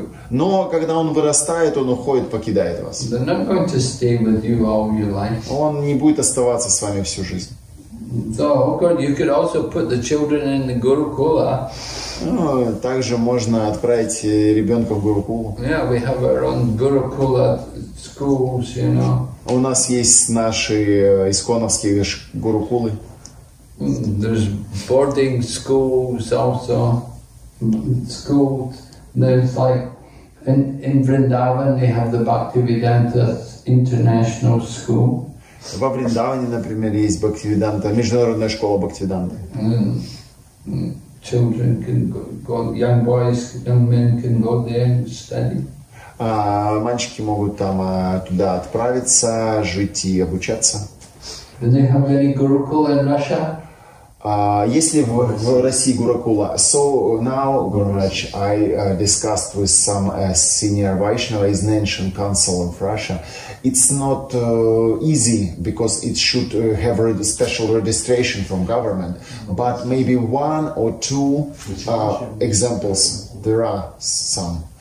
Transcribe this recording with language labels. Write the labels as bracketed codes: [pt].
[ru] Но когда он вырастает, он уходит, покидает вас. Он не будет оставаться с вами всю жизнь. [en] So, oh God, you could also put the children in the Gurukula. [ru] Ну, также можно отправить ребенка в Гурукулу. [en] Yeah, we have our own Gurukula schools, you know. [ru] У нас есть наши исконовские Гурукулы. [en] There's boarding schools also. There's like in Vrindavan they have the Bhaktivedanta International School. [ru] Во Вриндаване, например, есть Бхактивиданта, международная школа Бхактивиданты. [en] Children can go, young boys, young men can go there and study. [ru] Мальчики могут там туда отправиться, жить и обучаться. [en] Do they have any Gurukula in Russia? [ru] Есть ли в России Гурукула? [en] So now, Gurmaj, I discussed with some senior Vaishnava in the ancient council of Russia. It's not easy because it should have a special registration from government. But maybe one or two examples, there are some.